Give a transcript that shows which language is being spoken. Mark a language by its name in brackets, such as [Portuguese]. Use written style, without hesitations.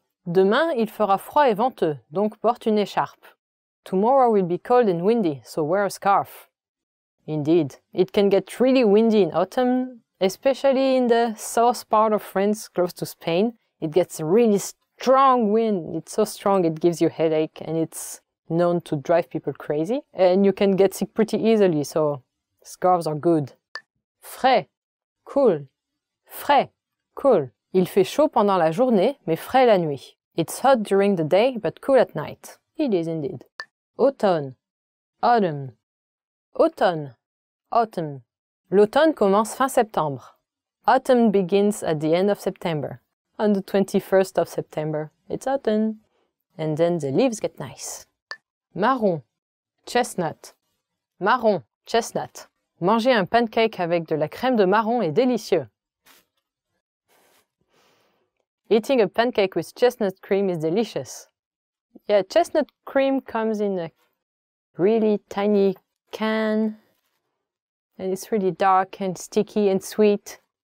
[French] Demain, il fera froid et venteux, donc porte une écharpe. [English] Tomorrow will be cold and windy, so wear a scarf. Indeed, it can get really windy in autumn, especially in the south part of France, close to Spain. It gets really strong wind. It's so strong it gives you headache and it's known to drive people crazy. And you can get sick pretty easily, so scarves are good. [French] Frais, cool. Frais, cool. Il fait chaud pendant la journée, mais frais la nuit. [English] It's hot during the day, but cool at night. It is indeed. [French] Automne. [English] Autumn. [French] Automne. [English] Autumn. [French] L'automne commence fin septembre. [English] Autumn begins at the end of September. On the 21st of September, it's autumn. And then the leaves get nice. [French] Marron. [English] Chestnut. [French] Marron. Chestnut. Manger un pancake avec de la crème de marron est délicieux. [English] Eating a pancake with chestnut cream is delicious. Yeah, chestnut cream comes in a really tiny can. And it's really dark and sticky and sweet.